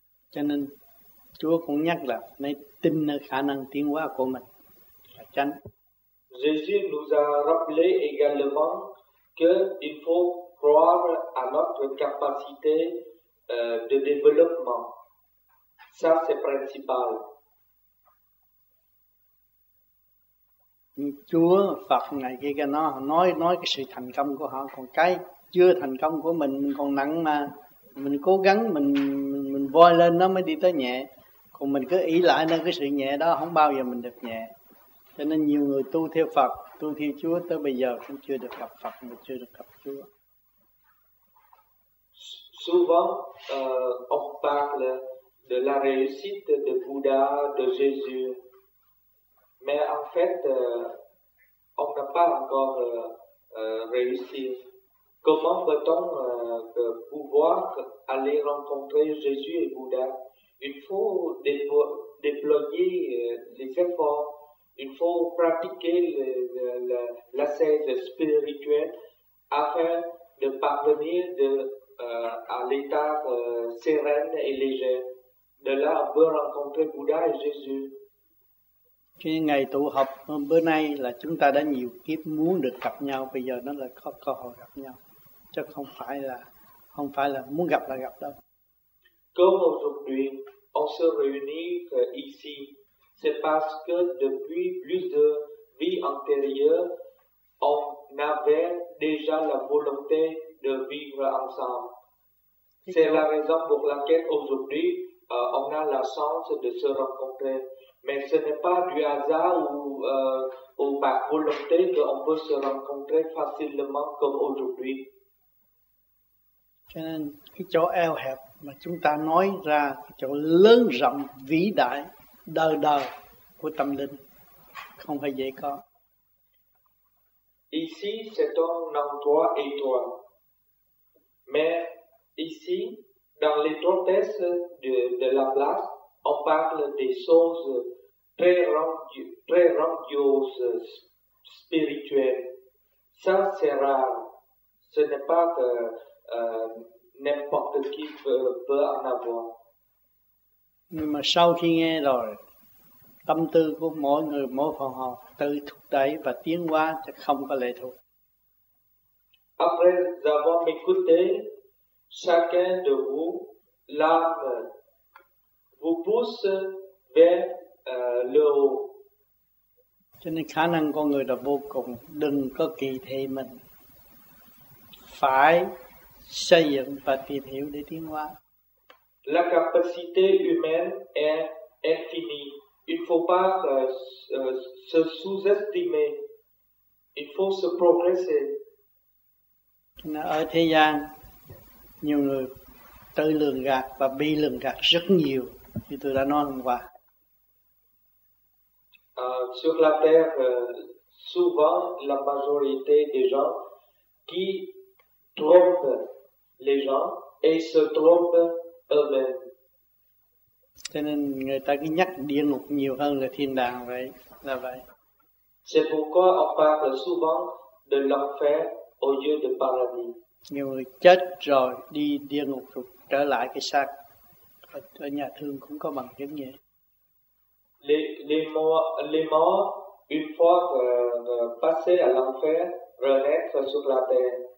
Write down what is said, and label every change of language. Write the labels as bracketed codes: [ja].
[vi] Cho nên Chúa cũng nhắc là nên tin nơi khả năng tiến hóa của mình là chánh. [fr] Jésus nous a rappelé également qu'il faut croire à notre capacité de développement. Ça, c'est principal. [vi] Chúa, Phật, ngày kia nói cái sự thành công của họ, còn cái chưa thành công của mình còn nặng mà. Mình cố gắng, mình voi lên nó mới đi tới nhẹ. Còn mình cứ ý lại nên cái sự nhẹ đó, không bao giờ mình được nhẹ. Cho nên nhiều người tu theo Phật, tu theo Chúa tới bây giờ cũng chưa được gặp Phật, mà chưa được gặp Chúa. [fr] Souvent, on parle de la réussite de Bouddha, de Jésus. Mais en fait, on n'a pas encore réussi. Comment peut-on pouvoir aller rencontrer Jésus et Bouddha? Il faut déployer les efforts. Il faut pratiquer l'ascèse spirituelle afin de parvenir à l'état serein et léger. De là, on peut rencontrer Bouddha et Jésus. [vi] Cái ngày tụ họp bữa nay là chúng ta đã nhiều kiếp muốn được gặp nhau, bây giờ nó là có cơ hội gặp nhau, chứ không phải là muốn gặp là gặp đâu. [fr] Comme aujourd'hui, on se réunit ici, c'est parce que depuis plus de vies antérieures, on avait déjà la volonté de vivre ensemble. C'est la raison pour laquelle aujourd'hui, on a la chance de se rencontrer. Mais ce n'est pas du hasard ou par volonté qu'on peut se rencontrer facilement comme aujourd'hui. [vi] Cho nên cái chỗ eo hẹp mà chúng ta nói ra, cái chỗ lớn rộng vĩ đại đời đời của tâm linh không phải dễ có. [fr] Ici c'est un endroit étroit. Mais ici dans l'étroitesse de la place, on parle des choses très grandiose, spirituelle. Ça, c'est rare. Ce n'est pas que n'importe qui peut en avoir. [vi] Nhưng mà sau khi nghe rồi, tâm tư của mỗi người, mỗi phòng họ tự thúc đẩy và tiến qua, chứ không có lệ thuộc. [fr] Après avoir écouté, chacun de vous, l'âme, vous pousse vers le haut. [vi] Cho nên khả năng con người là vô cùng, đừng có kỳ thị mình, phải xây dựng và tìm hiểu để tiến hóa. [fr] La capacité humaine est infinie. Il faut pas se sous-estimer. Il faut se progresser. [vi] Cho nên ở thế gian, nhiều người tự lường gạt và bị lường gạt rất nhiều, như tôi đã nói hôm qua. [fr] Sur la terre, souvent la majorité des gens qui trompent les gens et se trompent eux-mêmes. [vi] Cho nên người ta cứ nhắc địa ngục nhiều hơn là thiên đàng vậy, là vậy. [fr] C'est pourquoi on parle souvent de l'enfer au lieu de paradis. [vi] Nhiều người chết rồi đi địa ngục rồi trở lại cái xác ở nhà thương cũng có bằng chứng vậy. [fr] Les morts, une fois passés à l'enfer, renaître sur la terre.